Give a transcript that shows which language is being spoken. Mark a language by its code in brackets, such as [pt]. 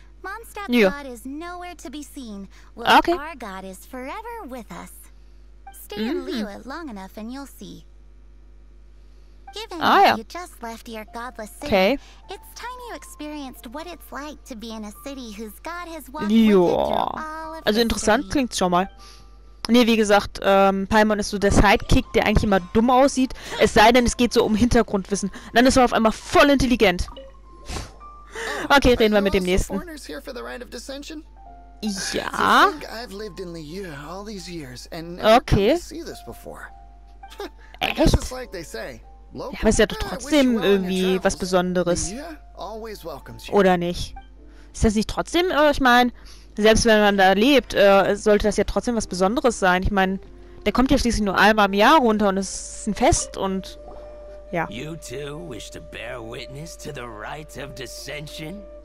[en] Mondstadt's god is nowhere to be seen. Well, our god is forever with us. Stay in Liyue long enough and you'll see. Given you just left your godless city, it's time you experienced what it's like to be in a city whose god has walked with you through all of history. [de] Also interessant klingt's schon mal. Nee, wie gesagt, Paimon ist so der Sidekick, der eigentlich immer dumm aussieht. Es sei denn, es geht so um Hintergrundwissen. Dann ist er auf einmal voll intelligent. Okay, reden wir mit dem nächsten. Ja. Okay. Echt? Ja, aber es ist ja doch trotzdem irgendwie was Besonderes. Oder nicht? Ist das nicht trotzdem, ich meine, selbst wenn man da lebt, sollte das ja trotzdem was Besonderes sein. Ich meine, der kommt ja schließlich nur einmal im Jahr runter und es ist ein Fest und Ja. [en] You too wish to bear witness to the rite of dissension?